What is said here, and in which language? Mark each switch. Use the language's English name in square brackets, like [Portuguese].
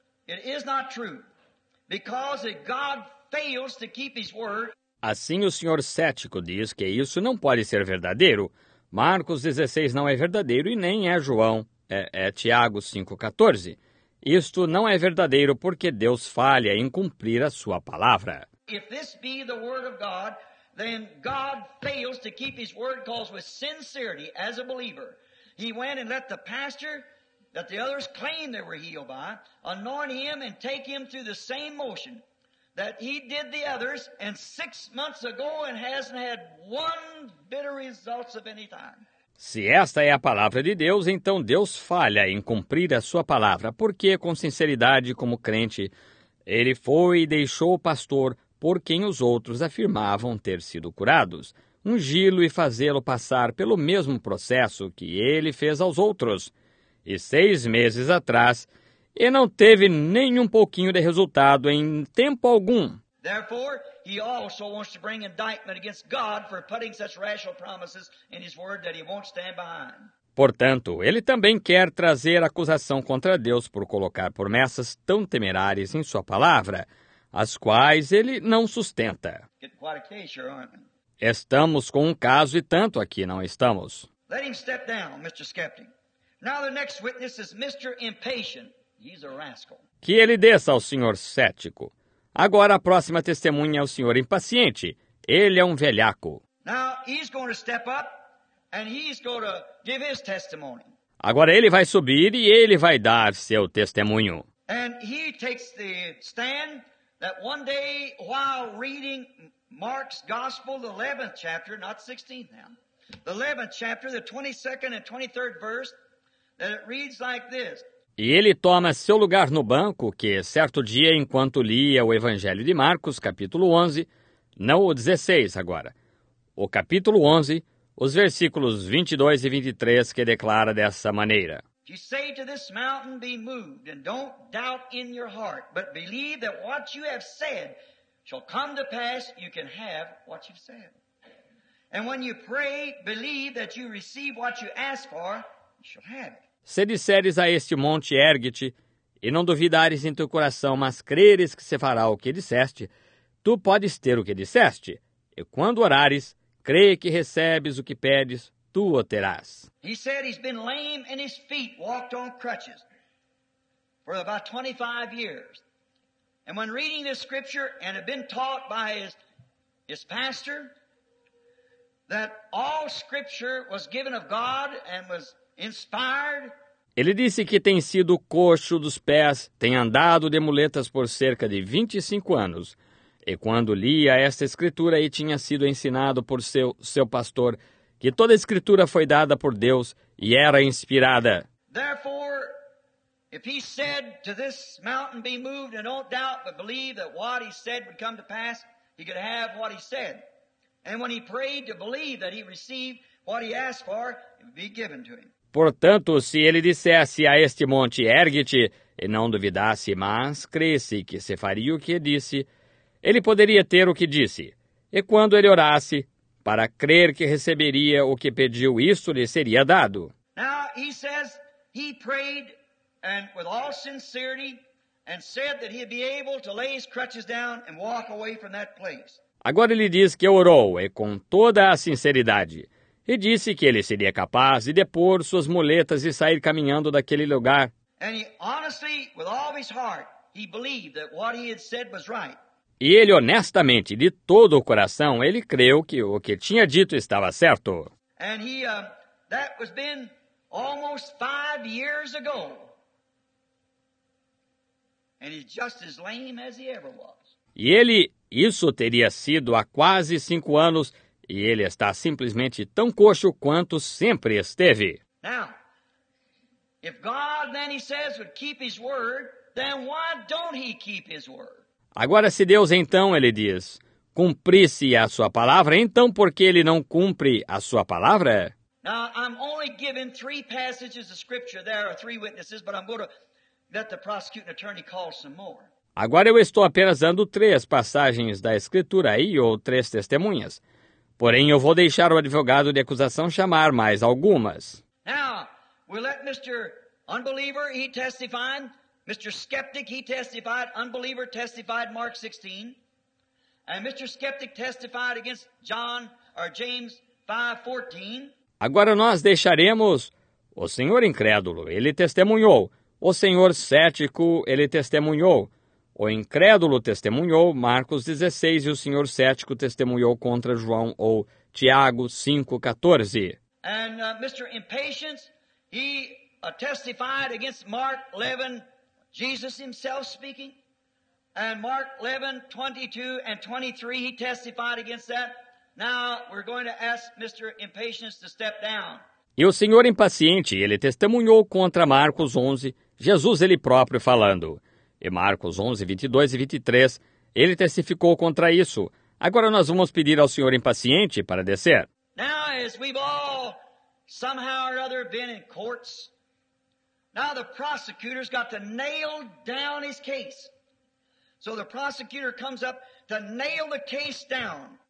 [English] It is not true, because if God fails to keep his word. [Portuguese] Assim, o senhor cético diz que isso não pode ser verdadeiro. Marcos 16 não é verdadeiro e nem é João. É Tiago 5:14. Isto não é verdadeiro porque Deus falha em cumprir a sua palavra. [English] If this be the word of God, then God fails to keep his word, because with sincerity as a believer, he went and let the pastor that the others claimed they were healed by anoint him and take him through the same motion that he did the others, and 6 months ago, and hasn't had one bit of results of any time. [Portuguese] Se esta é a palavra de Deus, então Deus falha em cumprir a sua palavra, porque com sinceridade, como crente, ele foi e deixou o pastor por quem os outros afirmavam ter sido curados, ungi-lo e fazê-lo passar pelo mesmo processo que ele fez aos outros. E 6 meses atrás, e não teve nem um pouquinho de resultado em tempo algum. [English] Therefore, he also wants to bring indictment against God for putting such rational promises in his word that he won't stand behind. [Portuguese] Portanto, ele também quer trazer acusação contra Deus por colocar promessas tão temerárias em sua palavra, as quais ele não sustenta. [English] Getting quite a case here, aren't we? [Portuguese] Estamos com um caso e tanto aqui, não estamos? [English] Let him step down, Mr. Skeptic. Now the next witness is Mr. Impatient. He's a rascal. [Portuguese] Que ele desça ao senhor cético. Agora a próxima testemunha é o senhor impaciente. Ele é um velhaco. [English] Now he's going to step up and he's going to give his testimony. [Portuguese] Agora ele vai subir e ele vai dar seu testemunho. [English] And he takes the stand that one day while reading Mark's Gospel, the 11th chapter, not 16th now, the 11th chapter, the 22nd and 23rd verse, that it reads like this. [Portuguese] E ele toma seu lugar no banco, que certo dia, enquanto lia o Evangelho de Marcos, capítulo 11, não o 16 agora, o capítulo 11, os versículos 22 e 23, que declara dessa maneira. [English] You say to this mountain, be moved, and don't doubt in your heart, but believe that what you have said shall come to pass, you can have what you've said. And when you pray, believe that you receive what you ask for, you shall have it. [Portuguese] Se disseres a este monte, ergue-te, e não duvidares em teu coração, mas creres que se fará o que disseste, tu podes ter o que disseste. E quando orares, crê que recebes o que pedes, tu o terás. [English] He said he's been lame and his feet walked on crutches for about 25 years. And when reading this scripture and had been taught by his pastor that all scripture was given of God and was inspired. [Portuguese] Ele disse que tem sido coxo dos pés, tem andado de muletas por cerca de 25 anos. E quando lia esta escritura e tinha sido ensinado por seu pastor que toda a escritura foi dada por Deus e era inspirada. [English] Therefore, if he said to this mountain be moved and don't doubt but believe that what he said would come to pass, he could have what he said. And when he prayed to believe that he received what he asked for, it would be given to him. [Portuguese] Portanto, se ele dissesse a este monte, ergue-te, e não duvidasse, mas cresse que se faria o que disse, Ele poderia ter o que disse. E quando ele orasse, para crer que receberia o que pediu, isso lhe seria dado. [English] Now he says he prayed and with all sincerity and said that he'd be able to lay his crutches down and walk away from that place. [Portuguese] Agora ele diz que orou e com toda a sinceridade e disse que ele seria capaz de depor suas muletas e sair caminhando daquele lugar. [English] And he honestly, with all his heart, he believed that what he had said was right. [Portuguese] E ele honestamente, de todo o coração, ele creu que o que tinha dito estava certo. [English] And he, that was been almost 5 years ago. And he's just as lame as he ever was. [Portuguese] E ele, isso teria sido há quase 5 anos, e ele está simplesmente tão coxo quanto sempre esteve. [English] Now, if God, then he says, would keep his word, then why don't he keep his word? [Portuguese] Agora, se Deus, então, ele diz, cumprisse a sua palavra, então por que ele não cumpre a sua palavra? [English] Now, I'm only giving 3 passages of scripture. There are 3 witnesses, but I'm going to let the prosecuting attorney call some more. [Portuguese] Agora eu estou apenas dando 3 passagens da escritura aí, ou 3 testemunhas. Porém, eu vou deixar o advogado de acusação chamar mais algumas. [English] Now, we'll let Mr. Unbeliever, he testified. Mr. Skeptic, he testified. Unbeliever testified, Mark 16. And Mr. Skeptic testified against John, or James 5:14. [Portuguese] Agora nós deixaremos o senhor incrédulo, ele testemunhou. O senhor cético, ele testemunhou. O incrédulo testemunhou, Marcos 16, e o senhor cético testemunhou contra João, ou Tiago 5:14. [English] And Mr. Impatience, he testified against Mark 11, Jesus himself speaking. And Mark 11, 22 and 23, he testified against that. Now, we're going to ask Mr. Impatience to step down. [Portuguese] E o senhor impaciente, ele testemunhou contra Marcos 11, Jesus ele próprio falando. E Marcos 11, 22 e 23, ele testificou contra isso. Agora nós vamos pedir ao senhor impaciente para descer. [English] Now, as we've all somehow or other been in courts, now the prosecutor's got to nail down his case. So the prosecutor comes up to nail the case down.